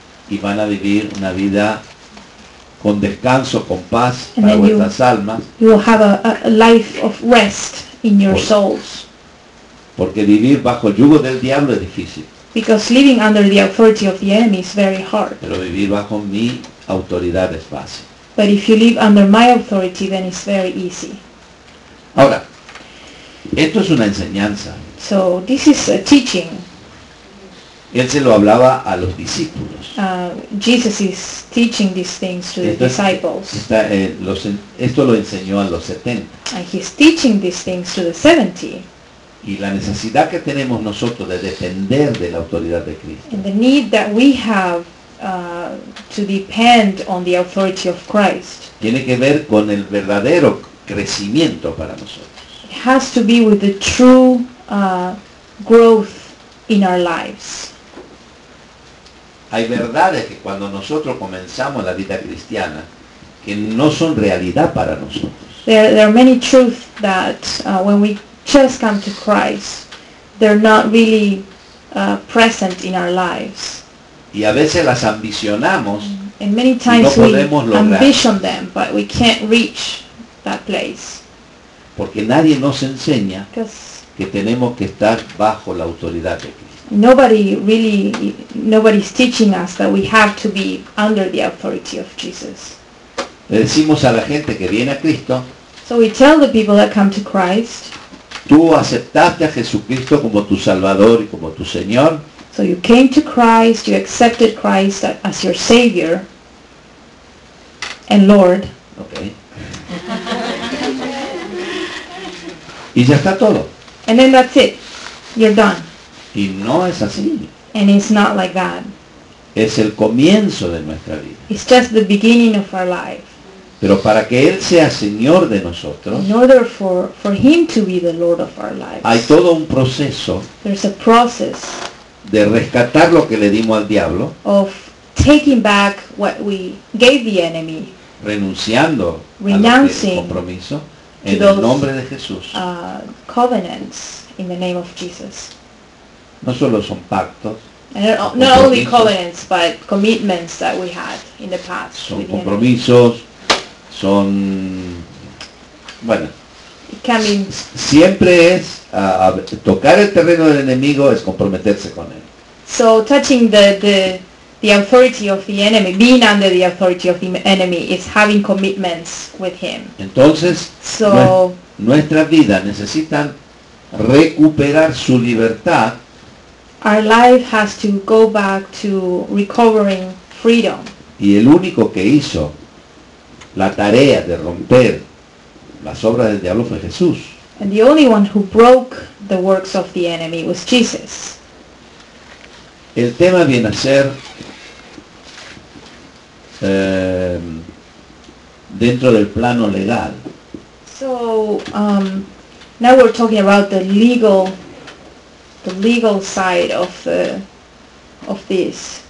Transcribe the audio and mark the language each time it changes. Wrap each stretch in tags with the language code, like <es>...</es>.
<es>Y van a vivir una vida con descanso, con paz para vuestras almas.</es> <en>You will have a life of rest in your souls.</en> <es>Porque vivir bajo el yugo del diablo es difícil.</es> <en>Because living under the authority of the enemy is very hard.</en> <es>Pero vivir bajo mi autoridad es fácil.</es> <en>But if you live under my authority, then it's very easy.</en> <es>Ahora, esto es una enseñanza.</es> <en>So this is a teaching.</en> <es>Él se lo hablaba a los discípulos.</es> <en>Jesus is teaching these things to the disciples.</en> <es>Esto lo enseñó a los 70.</es> <en>And he's teaching these things to the 70.</en> <es>Y la necesidad que tenemos nosotros de depender de la autoridad de Cristo.</es> <en>And the need that we have to depend on the authority of Christ.</en> <es>Tiene que ver con el verdadero crecimiento para nosotros.</es> <en>It has to be with the true growth in our lives.</en> <es>Hay verdades que cuando nosotros comenzamos la vida cristiana que no son realidad para nosotros.</es> <en>There are many truths that when we just come to Christ, they're not really present in our lives.</en> <es>Y a veces las ambicionamos</es> <en>and many times</en> <es>y no podemos lograr.</es> <en>Ambition them, but we can't reach that place.</en> <es>Porque nadie nos enseña que tenemos que estar bajo la autoridad de Cristo.</es> <en>Nobody's teaching us that we have to be under the authority of Jesus.</en> <es>Le decimos a la gente que viene a Cristo.</es> <en>So we tell the people that come to Christ.</en> <es>Tú aceptaste a Jesucristo como tu Salvador y como tu Señor.</es> <en>So you came to Christ, you accepted Christ as your Savior and Lord. Okay.</en> <es>Y ya está todo.</es> <en>And then that's it. You're done.</en> <es>Y no es así.</es> <en>And it's not like that.</en> <es>Es el comienzo de nuestra vida.</es> <en>It's just the beginning of our life.</en> <es>Pero para que Él sea Señor de nosotros,</es> <en>in order for Him to be the Lord of our lives,</en> <es>hay todo un proceso.</es> <en>There's a process</en> <es>de rescatar lo que le dimos al diablo,</es> <en>of taking back what we gave the enemy,</en> <es>renunciando</es> <en>renouncing</en> <es>al compromiso en el nombre de Jesús.</es> <en>Covenants in the name of Jesus.</en> <es>No solo son pactos,</es> <en>not only covenants but commitments that we had in the past.</en> <es>Son compromisos, son bueno. Siempre es tocar el terreno del enemigo es comprometerse con él.</es> <en>So touching the authority of the enemy, being under the authority of the enemy, is having commitments with him.</en> <es>Entonces,</es> <en>so,</en> <es>nuestras vidas necesitan recuperar su libertad.</es> <en>Our life has to go back to recovering freedom.</en> <es>Y el único que hizo la tarea de romper las obras del diablo fue Jesús.</es> <en>And the only one who broke the works of the enemy was Jesus.</en> <es>El tema viene a ser dentro del plano legal.</es> <en>So, now we're talking about the legal side of this.</en>